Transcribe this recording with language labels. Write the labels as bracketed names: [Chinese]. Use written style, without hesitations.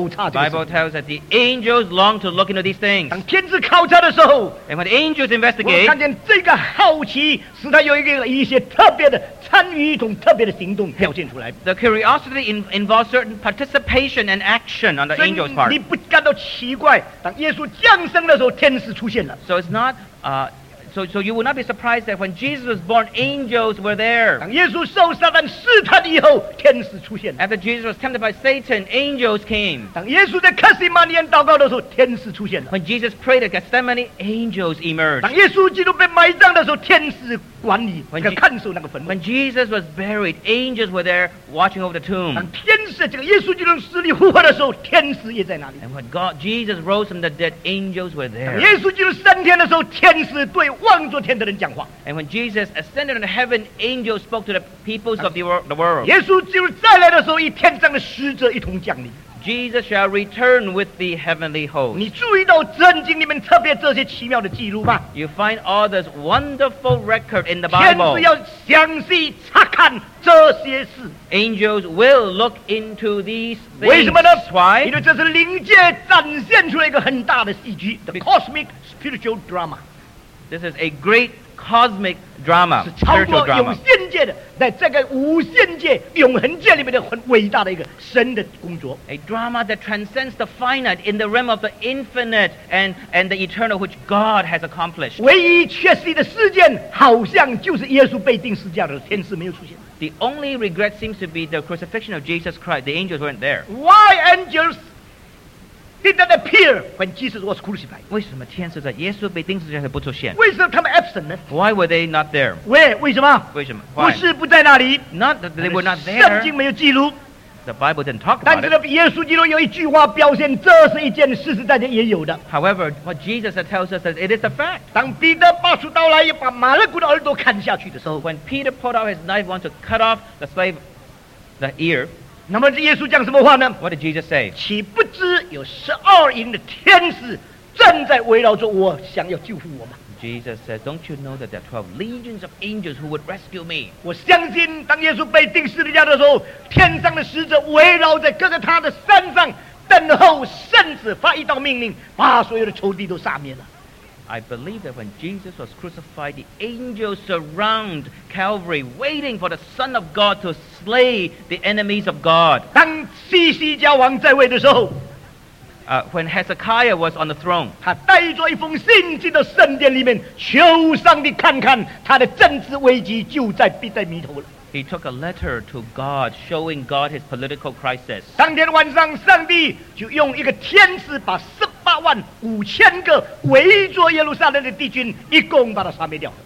[English] the Bible tells that the angels long to look into these things [Chinese] 当天使考察的时候, [English] and when the angels investigate [Chinese] 我看见这个好奇使他有一个一些特别的参与 [English] The curiosity involves certain participation and action on the angel's part. [Chinese] 你不感到奇怪, 当耶稣降生的时候, 天使出现了。 [English] So it's not you will not be surprised that when Jesus was born, angels were there. [Chinese] 当耶稣受撒旦试探以后, 天使出现了。 [English] After Jesus was tempted by Satan, angels came. [Chinese] 当耶稣在克西马尼园祷告的时候, 天使出现了。 [English] When Jesus prayed at Gethsemane, angels emerged. [Chinese] 当耶稣基督被埋葬的时候, 天使出现了。管理和看守那个坟墓。 [English] When Jesus was buried, angels were there watching over the tomb. [Chinese] 当天使这个耶稣基督死里复活的时候，天使也在那里。 [English] And when God Jesus rose from the dead, angels were there. [Chinese] 当耶稣基督升天的时候，天使对望着天的人讲话。 [English] And when Jesus ascended into heaven, angels spoke to the peoples of the world. [Chinese] 耶稣基督再来的时候，与天上的使者一同降临。 [English] Jesus shall return with the heavenly host. [Chinese] 你注意到圣经里面特别这些奇妙的记录吗？ [English] You find all this wonderful record in the Bible. [Chinese] 天使要详细查看这些事。 [English] Angels will look into these things. [Chinese] 为什么呢？ [English] Why? [Chinese] 因为这是灵界展现出来一个很大的戏剧， [English] the cosmic spiritual drama. This is a great cosmic drama. [Chinese] 是超过有限界的。在这个无限界永恒界里面的很伟大的一个神的工作 [English] A drama that transcends the finite in the realm of the infinite and the eternal which God has accomplished [Chinese] 唯一缺席的事件好像就是耶稣被钉十字架的时候天使没有出现 [English] The only regret seems to be the crucifixion of Jesus Christ The angels weren't there Why angels did not appear when Jesus was crucified [Chinese] 为什么天使在耶稣被钉十字架时不出现为什么他们 absent 呢 [English] Why were they not there [Chinese] 为什么 [English] Why? [Chinese] 不是不在那里 [English] Not that they were not there [Chinese] 圣经没有记录 [English] The Bible didn't talk about it [Chinese] 但是耶稣基督有一句话表现这是一件事实大家也有的 [English] However what Jesus tells us that it is a fact [Chinese] 当彼得拔出刀来把马勒古的耳朵砍下去的时候 [English] When Peter pulled out his knife wanted to cut off the slave the ear What did Jesus say? [Chinese] 岂不知有十二营的天使正在围绕着我，想要救护我吗？ [English] Jesus said, "Don't you know that there are 12 legions of angels who would rescue me?" [Chinese] 我相信，当耶稣被钉十字架的时候，天上的使者围绕在各个他的山上等候，甚至发一道命令，把所有的仇敌都杀灭了。 [English] I believe that when Jesus was crucified, the angels surround Calvary, waiting for the Son of God to slay the enemies of God. When Hezekiah was on the throne, [Chinese] 他带着一封信进到圣殿里面，求上帝看看他的政治危机就在迫在眉头了。 [English] He took a letter to God, showing God his political crisis. [Chinese] 当天晚上，上帝就用一个天使把185,000个围着耶路撒冷的敌军，一共把他杀灭掉。